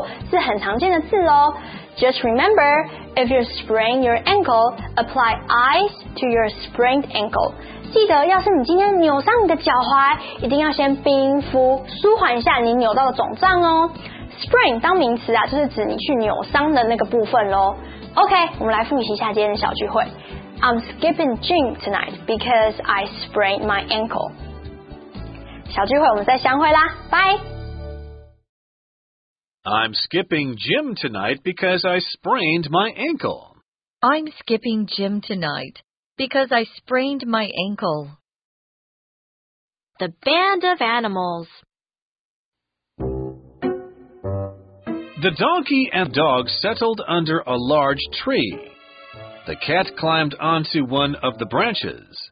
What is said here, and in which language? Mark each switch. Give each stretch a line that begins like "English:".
Chinese: 是很常见的字咯
English: Just remember If you sprain your ankle Apply ice to your sprained ankle
Chinese: 记得，要是你今天扭伤你的脚踝，一定要先冰敷，舒缓一下你扭到的肿胀哦。 Sprain 当名词啊，就是指你去扭伤的那个部分咯。 OK， 我们来复习一下今天的小聚会。
English: I'm skipping gym tonight because I sprained my ankle。
Chinese: 小聚会，我们再相会啦，拜。
English: I'm skipping gym tonight because I sprained my ankle. I'm skipping gym tonight. Because I sprained my ankle. The band of animals. The donkey and dog settled under a large tree. The cat climbed onto one of the branches.